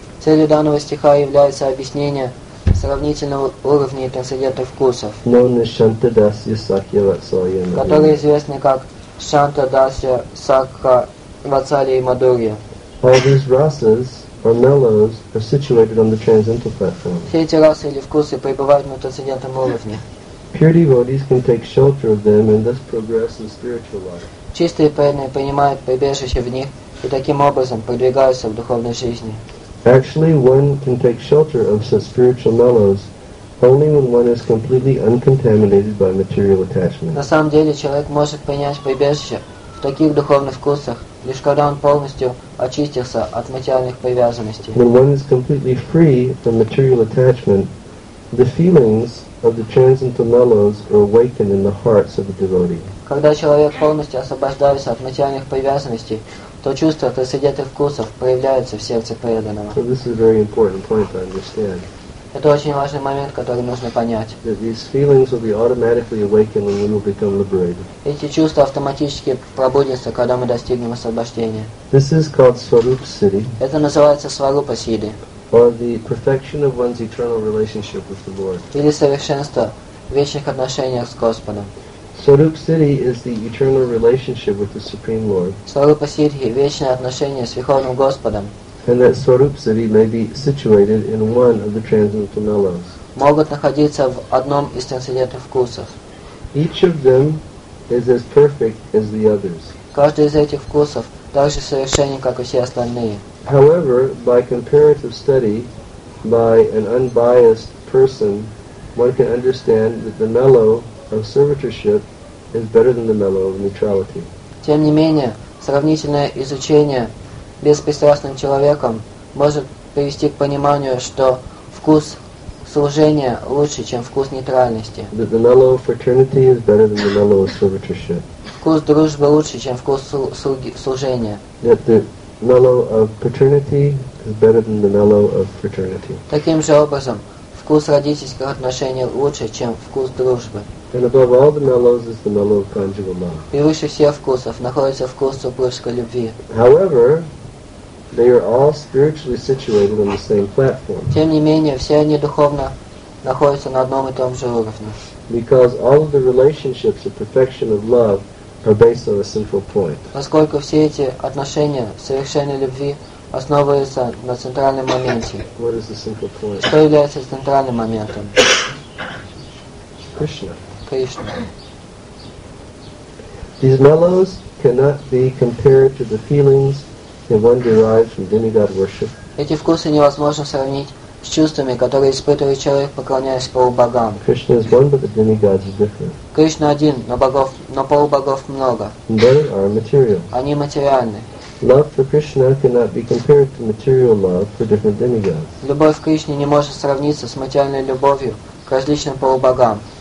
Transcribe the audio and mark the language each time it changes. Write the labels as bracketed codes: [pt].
[ru] Целью данного стиха является объяснение сравнительного уровня трансцендентных вкусов, [en] known as Shanta Dasya Sakya Vatsalya Madhurya, [ru] которые известны как Shanta Dasya Sakha Vatsalya Madhurya. [en] All these rasas or mellows are situated on the transcendental platform. [ru] Все эти расы или вкусы пребывают на трансцендентном уровне. [en] Pure devotees can take shelter of them and thus progress in spiritual life. [ru] Чистые преданные принимают прибежище в них и таким образом продвигаются в духовной жизни. [en] Actually, one can take shelter of such spiritual mellows only when one is completely uncontaminated by material attachment. [ru] На самом деле, человек может принять прибежище в таких духовных вкусах, лишь когда он полностью очистился от материальных привязанностей. [en] When one is completely free from material attachment, the feelings of the transcendental mellows are awakened in the hearts of the devotee. [ru] Когда человек полностью освобождается от материальных привязанностей, то чувства трансцендентных вкусов проявляются в сердце преданного. [en] So this is a very important point to understand. [ru] Это очень важный момент, который нужно понять. [en] That these feelings will be automatically awakened when we will become liberated. [ru] Эти чувства автоматически пробудятся, когда мы достигнем освобождения. [en] This is called Swarupa Siddhi. [ru] Это называется Swarupa Siddhi. [en] Or the perfection of one's eternal relationship with the Lord. [ru] Или совершенство вечных отношений с Господом. [en] Swarupa Siddhi is the eternal relationship with the Supreme Lord. [ru] Swarupa Siddhi – вечное отношение с Верховным Господом. [en] And that Swarupa Siddhi may be situated in one of the transcendental mellows. [ru] Могут находиться в одном из трансцендентных вкусов. [en] Each of them is as perfect as the others. [ru] Каждый из этих вкусов также совершенен, как и все остальные. [en] However, by comparative study, by an unbiased person, one can understand that the mellow of servitorship is better than the mellow of neutrality. [ru] Тем не менее, сравнительное изучение беспристрастным человеком может привести к пониманию, что вкус служения лучше, чем вкус нейтральности. [en] That the mellow of fraternity is better than the mellow of servitorship. [ru] Вкус дружбы лучше, чем вкус служения. [en] That the mellow of paternity is better than the mellow of fraternity. [ru] Таким же образом, вкус родительских отношений лучше, чем вкус дружбы. [en] And above all the mellows is the mellow of conjugal love. [ru] И выше всех вкусов находится вкус супружеской любви. [en] However, they are all spiritually situated on the same platform. [ru] Тем не менее, все они духовно находятся на одном и том же уровне. [en] Because all of the relationships of perfection of love are based on a central point. [ru] Поскольку все эти отношения совершенной любви основываются на центральном моменте. [en] What is the central point? [ru] Что является центральным моментом? Кришна. [en] These mellows cannot be compared to the feelings that one derives from demigod worship. [ru] Эти вкусы невозможно сравнить с чувствами, которые испытывает человек, поклоняясь полубогам. [en] Krishna is one, but the demigods are different. [ru] Кришна один, но полубогов много. [en] They are material. [ru] Они материальны. [en] Love for Krishna cannot be compared to material love for different demigods. [ru] Любовь к Кришне не может сравниться с материальной любовью к различным полубогам.